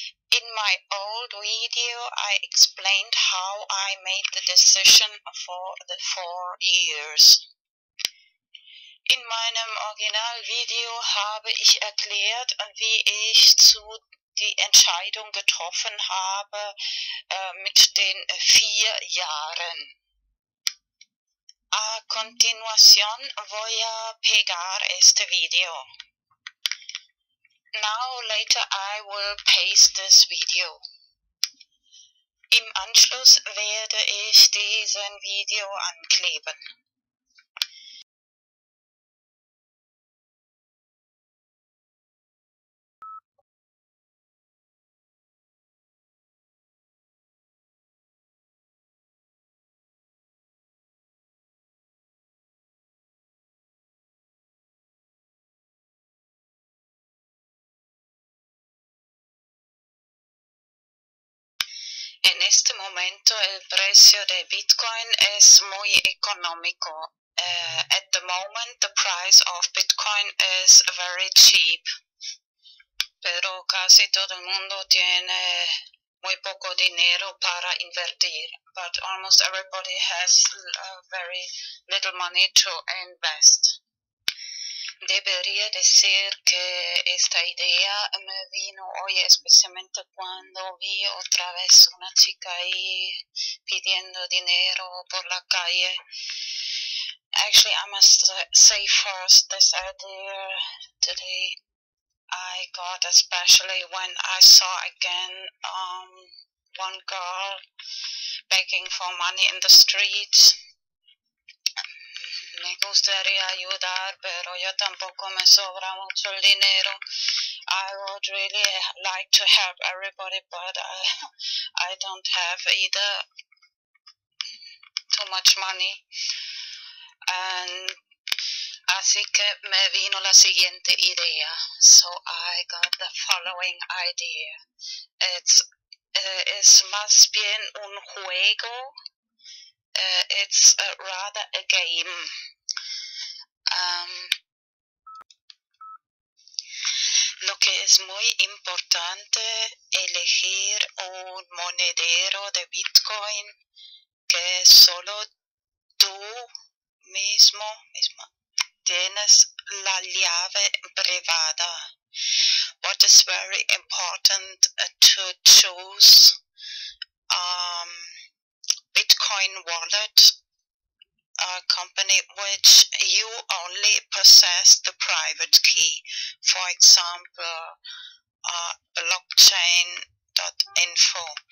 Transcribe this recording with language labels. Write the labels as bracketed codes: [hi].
[en] In my old video, I explained how I made the decision for the 4 years. [de] In meinem Originalvideo habe ich erklärt, wie ich zu die Entscheidung getroffen habe mit den 4 Jahren. [es] A continuación voy a pegar este video. [en] Now later I will paste this video. [de] Im Anschluss werde ich diesen Video ankleben. [es] En este momento el precio de Bitcoin es muy económico. [en] At the moment the price of Bitcoin is very cheap. [es] Pero casi todo el mundo tiene muy poco dinero para invertir. [en] But almost everybody has very little money to invest. [es] Debería decir que esta idea me vino hoy especialmente cuando vi otra vez una chica ahí pidiendo dinero por la calle. [en] Actually, I must say first this idea today I got, especially when I saw again one girl begging for money in the streets. [es] Me gustaría ayudar, pero yo tampoco me sobra mucho el dinero. [en] I would really like to help everybody, but I don't have either too much money. [es] And así que me vino la siguiente idea. [en] So I got the following idea. It's [es] más bien un juego. [en] It's rather a game. [es] Lo que es muy importante elegir un monedero de Bitcoin que solo tú mismo tienes la llave privada. [en] What is very important to choose Bitcoin wallet, a company which you only possess the private key, for example, blockchain.info.